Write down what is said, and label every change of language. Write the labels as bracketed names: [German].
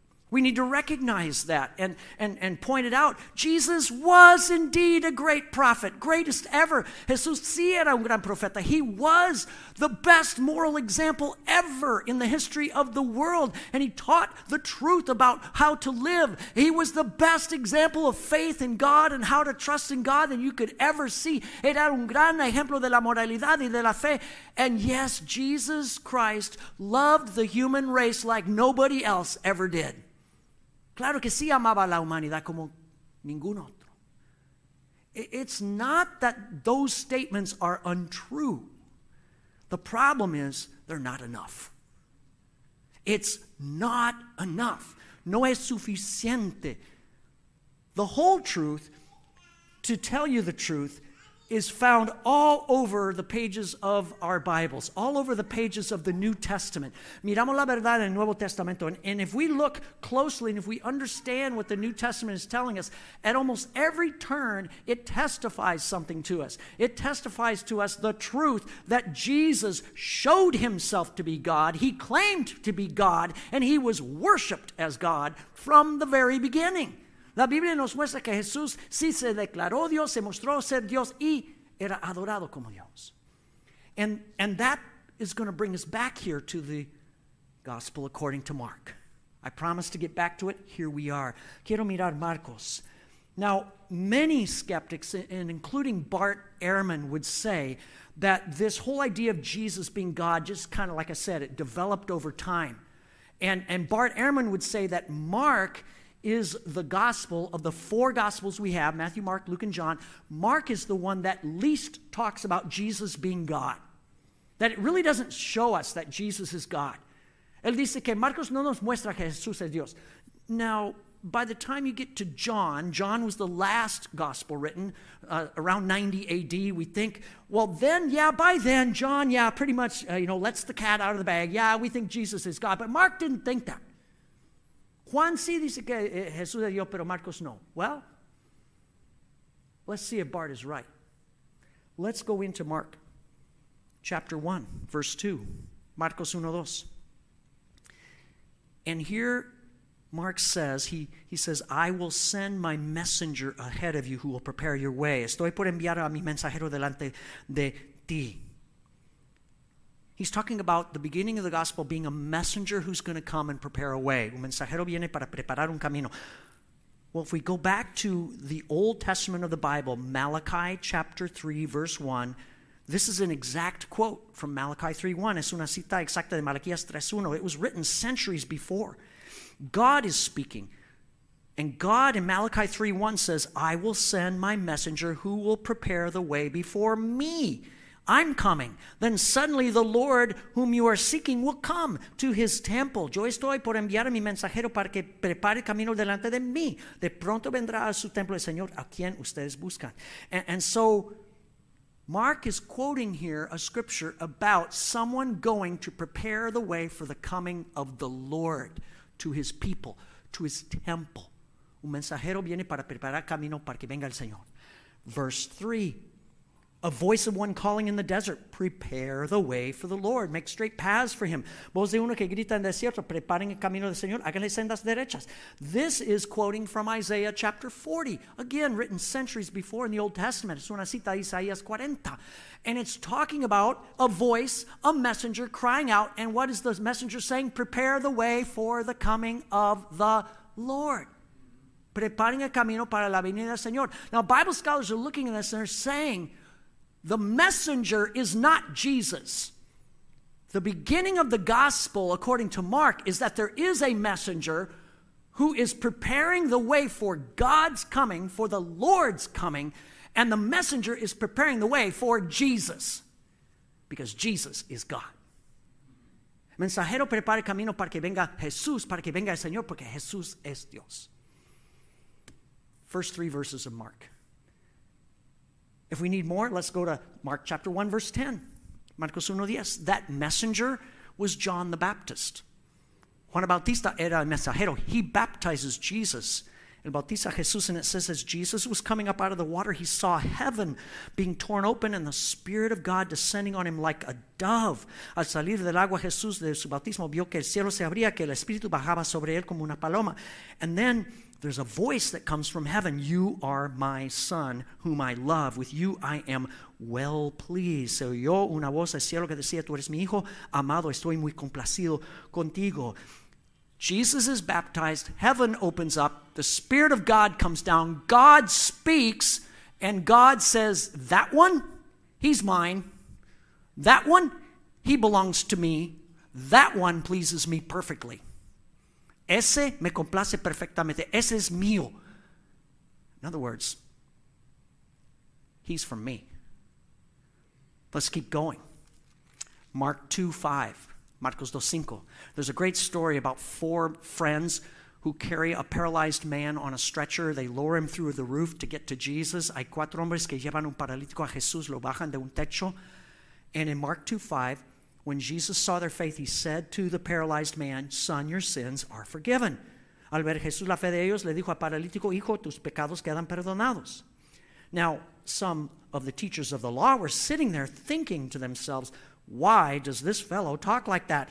[English] We need to recognize that and point it out. Jesus was indeed a great prophet, greatest ever. [Spanish] Jesús sí era un gran profeta. [English] He was the best moral example ever in the history of the world. And he taught the truth about how to live. He was the best example of faith in God and how to trust in God than you could ever see. [Spanish] Era un gran ejemplo de la moralidad y de la fe. [English] And yes, Jesus Christ loved the human race like nobody else ever did. [Spanish] Claro que sí amaba a la humanidad como ningún otro. [English] It's not that those statements are untrue. The problem is they're not enough. It's not enough. [Spanish] No es suficiente. [English] The whole truth, to tell you the truth, is found all over the pages of our Bibles, all over the pages of the New Testament. [Spanish] Miramos la verdad en el Nuevo Testamento, [English] and if we look closely and if we understand what the New Testament is telling us, at almost every turn, it testifies something to us. It testifies to us the truth that Jesus showed himself to be God, he claimed to be God, and he was worshiped as God from the very beginning. [Spanish] La Biblia nos muestra que Jesús sí se declaró Dios, se mostró ser Dios y era adorado como Dios. [English] And that is going to bring us back here to the gospel according to Mark. I promise to get back to it. Here we are. [Spanish] Quiero mirar Marcos. [English] Now, many skeptics, and including Bart Ehrman, would say that this whole idea of Jesus being God, just kind of like I said, it developed over time. And Bart Ehrman would say that Mark is the gospel of the four gospels we have, Matthew, Mark, Luke, and John. Mark is the one that least talks about Jesus being God. That it really doesn't show us that Jesus is God. [Spanish] Él dice que Marcos no nos muestra que Jesús es Dios. [English] Now, by the time you get to John was the last gospel written around 90 AD, we think. Well, then, yeah, by then, John, yeah, pretty much, lets the cat out of the bag. Yeah, we think Jesus is God. But Mark didn't think that. [Spanish] Juan sí dice que Jesús es Dios, pero Marcos no. [English] Well, let's see if Bart is right. Let's go into Mark chapter 1, verse 2. [Spanish] Marcos 1, 2. [English] And here Mark says, he says, I will send my messenger ahead of you who will prepare your way. [Spanish] Estoy por enviar a mi mensajero delante de ti. [English] He's talking about the beginning of the gospel being a messenger who's going to come and prepare a way. [Spanish] Un mensajero viene para preparar un camino. [English] Well, if we go back to the Old Testament of the Bible, Malachi chapter 3, verse 1, this is an exact quote from Malachi 3:1. [Spanish] Es una cita exacta de Malaquías 3:1. [English] It was written centuries before. God is speaking. And God in Malachi 3:1 says, I will send my messenger who will prepare the way before me. I'm coming. Then suddenly the Lord whom you are seeking will come to his temple. [Spanish] Yo estoy por enviar a mi mensajero para que prepare el camino delante de mí. De pronto vendrá a su templo el Señor a quien ustedes buscan. [English] And so Mark is quoting here a scripture about someone going to prepare the way for the coming of the Lord to his people, to his temple. [Spanish] Un mensajero viene para preparar camino para que venga el Señor. [English] Verse 3. A voice of one calling in the desert, prepare the way for the Lord. Make straight paths for him. [Spanish] Voz de uno que grita en desierto, preparen el camino del Señor. Háganle sendas derechas. [English] This is quoting from Isaiah chapter 40. Again, written centuries before in the Old Testament. [Spanish] Es una cita de Isaías 40. [English] And it's talking about a voice, a messenger crying out. And what is the messenger saying? Prepare the way for the coming of the Lord. [Spanish] Preparen el camino para la venida del Señor. [English] Now, Bible scholars are looking at this and they're saying, the messenger is not Jesus. The beginning of the gospel, according to Mark, is that there is a messenger who is preparing the way for God's coming, for the Lord's coming, and the messenger is preparing the way for Jesus, because Jesus is God. [Spanish] Mensajero prepara el camino para que venga Jesús, para que venga el Señor, porque Jesús es Dios. [English] First three verses of Mark. If we need more, let's go to Mark chapter 1, verse 10. [Spanish] Marcos 1, 10. [English] That messenger was John the Baptist. [Spanish] Juan Bautista era el mensajero. [English] He baptizes Jesus. [Spanish] El bautiza Jesús, [English] and it says as Jesus was coming up out of the water, he saw heaven being torn open and the Spirit of God descending on him like a dove. [Spanish] Al salir del agua Jesús de su bautismo vio que el cielo se abría, que el Espíritu bajaba sobre él como una paloma. [English] And then there's a voice that comes from heaven. You are my son, whom I love. With you I am well pleased. [Spanish] Se oyó una voz del cielo que decía, tú eres mi hijo, amado, estoy muy complacido contigo. [English] Jesus is baptized, heaven opens up, the Spirit of God comes down, God speaks, and God says, that one, he's mine. That one, he belongs to me. That one pleases me perfectly. [Spanish] Ese me complace perfectamente. Ese es mío. [English] In other words, he's from me. Let's keep going. [Spanish] Marcos 2:5. [English] There's a great story about four friends who carry a paralyzed man on a stretcher. They lower him through the roof to get to Jesus. [Spanish] Hay cuatro hombres que llevan un paralítico a Jesús, lo bajan de un techo. [English] And in Mark 2:5, when Jesus saw their faith, he said to the paralyzed man, son, your sins are forgiven. [Spanish] Al ver Jesús la fe de ellos, le dijo al paralítico, hijo, tus pecados quedan perdonados. [English] Now, some of the teachers of the law were sitting there thinking to themselves, why does this fellow talk like that?